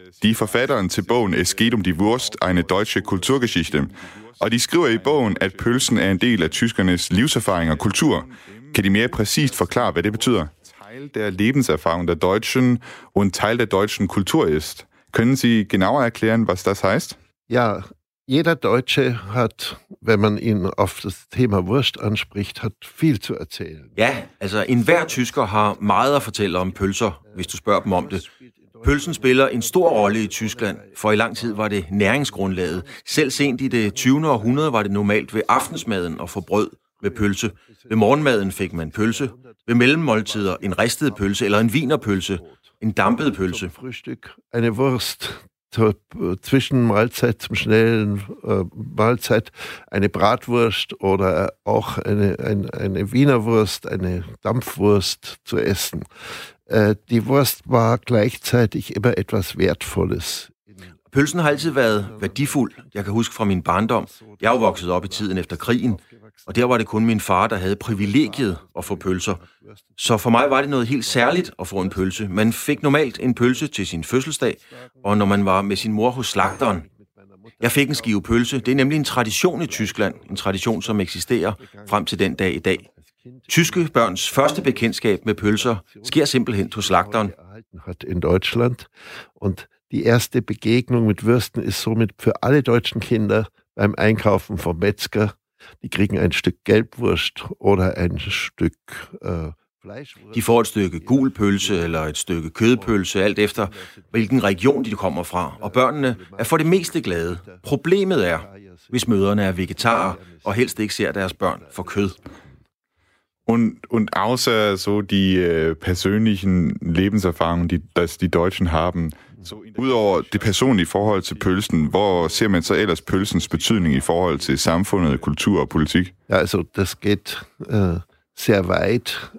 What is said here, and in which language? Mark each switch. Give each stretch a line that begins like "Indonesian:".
Danish: De er forfatteren til bogen Es geht um die Wurst, eine deutsche Kulturgeschichte. Og de skriver i bogen, at pølsen er en del af tyskernes livserfaring og kultur. Kan de mere præcist forklare, hvad det betyder?
German: Der Lebenserfahrung der Deutschen und Teil der deutschen Kultur ist. Können Sie genauer erklären, was das heißt? Ja, jeder Deutsche hat, wenn man ihn auf das Thema Wurst anspricht, hat viel zu erzählen.
Danish: Ja, also enhver tysker har meget at fortælle om pølser, hvis du spørger dem om det. Pølsen spiller en stor rolle i Tyskland, for i lang tid var det næringsgrundlaget. Selv sent i det 20. århundrede var det normalt ved aftensmaden at få brød med pølse. Ved morgenmaden fik man pølse. Ved mellemmåltider en ristet pølse eller en wienerpølse, en dampet pølse.
German: Frühstück, eine Wurst, zwischen Mahlzeit zum schnellen Mahlzeit, eine Bratwurst oder auch eine Wienerwurst, eine Dampfwurst zu essen. Die Wurst war gleichzeitig immer etwas Wertvolles.
Danish: Pølsen har altid været værdifuld. Jeg kan huske fra min barndom. Jeg er vokset op i tiden efter krigen, og der var det kun min far, der havde privilegiet at få pølser. Så for mig var det noget helt særligt at få en pølse. Man fik normalt en pølse til sin fødselsdag, og når man var med sin mor hos slagteren. Jeg fik en skive pølse. Det er nemlig en tradition i Tyskland, en tradition, som eksisterer frem til den dag i dag. Tyske børns første bekendtskab med pølser sker simpelthen hos slagteren.
German: I Deutschland, og die erste Begegnung mit Würsten ist somit für alle deutschen Kinder beim Einkaufen vom Metzger. Die kriegen ein Stück Gelbwurst oder ein Stück Fleischwurst.
Danish: De får et stykke gul pølse eller et stykke kødpølse, alt efter hvilken region de kommer fra. Og børnene er for det meste glade. Problemet er, hvis mødrene er vegetarer og helst ikke ser deres børn for kød.
German: Und außer so die persönlichen Lebenserfahrungen, die Deutschen haben.
Danish: Udover det personlige forhold til pølsen, hvor ser man så ellers pølsens betydning i forhold til samfundet, kultur og politik?
German: Ja, altså, das geht sehr weit.